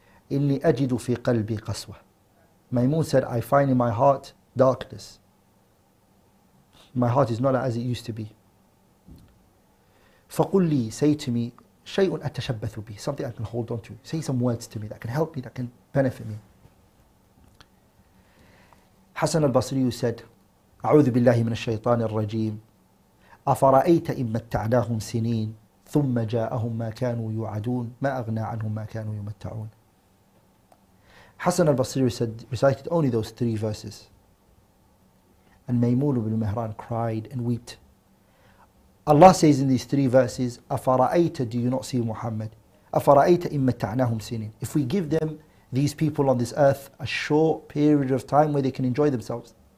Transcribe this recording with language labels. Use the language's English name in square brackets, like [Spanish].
[Arabic] Inni ajidu fi qalbi qaswa. [English] Maymun said, I find in my heart darkness. My heart is not as it used to be. [Arabic] فَقُلْ لِي [English] Say to me, [Arabic] شَيْءٌ أَتَّشَبَّثُ بِهِ [English] Something I can hold on to. Say some words to me that can help me, that can benefit me. Hassan al-Basri said, [Arabic] أعوذ بالله من الشيطان الرجيم أفرأيت إن متعناهم سنين ثم جاءهم ما كانوا يوعدون ما أغنى عنهم ما كانوا يمتعون. [English] Hassan al-Basri said, recited only those three verses. And Maymun ibn Mihran cried and wept. Allah says in these three verses, أَفَرَأَيْتَ Do you not see Muhammad? [Arabic] أَفَرَأَيْتَ إِمَّا تَعْنَاهُمْ سِنِينَ [English] If we give them, these people on this earth, a short period of time where they can enjoy themselves.